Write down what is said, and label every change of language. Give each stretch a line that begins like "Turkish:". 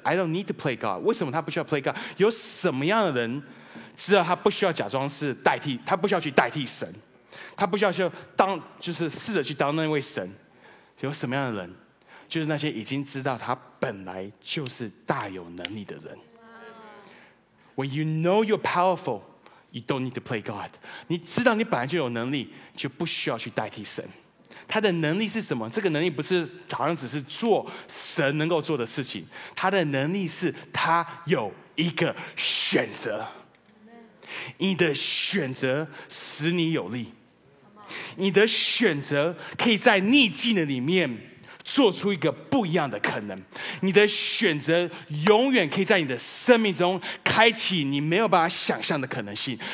English: I don't need to play God.
Chinese: 为什么他不需要
English: play God?
Chinese: 有什么样的人？” 知道他不需要假装是代替，他不需要去代替神，他不需要去当，就是试着去当那位神。有什么样的人？就是那些已经知道他本来就是大有能力的人。
English: When you know you're powerful, you don't need to play God.
Chinese: 你知道你本来就有能力，就不需要去代替神。他的能力是什么？这个能力不是好像只是做神能够做的事情，他的能力是他有一个选择。你的选择使你有力，你的选择可以在逆境的里面做出一个不一样的可能，你的选择永远可以在你的生命中开启你没有办法想象的可能性。